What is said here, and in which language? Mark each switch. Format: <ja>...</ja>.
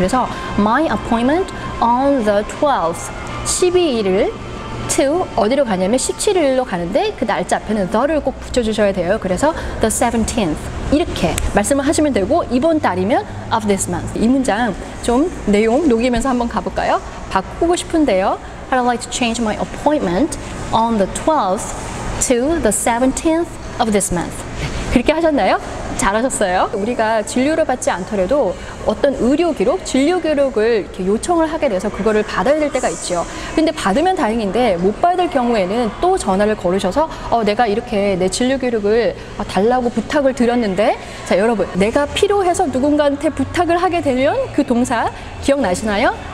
<ko>그래서</ko> <en>my appointment on the 12th</en> <ko>12일을 to 어디로 가냐면 17일로 가는데 그 날짜 앞에는 the를 꼭 붙여주셔야 돼요. 그래서</ko> <en>the 17th</en> <ko>이렇게 말씀을 하시면 되고 이번 달이면</ko> <en>of this month.</en> <ko>이 문장 좀 내용 녹이면서 한번 가볼까요? 바꾸고 싶은데요.</ko> <en>I'd like to change my appointment on the 12th to the 17th of this month.</en> <ko>그렇게 하셨나요? 잘하셨어요. 우리가 진료를 받지 않더라도 어떤 의료 기록, 진료 기록을 이렇게 요청을 하게 돼서 그거를 받아야 될 때가 있죠. 근데 받으면 다행인데 못 받을 경우에는 또 전화를 걸으셔서 내가 이렇게 내 진료 기록을 달라고 부탁을 드렸는데, 자 여러분 내가 필요해서 누군가한테 부탁을 하게 되면 그 동사 기억나시나요?</ko>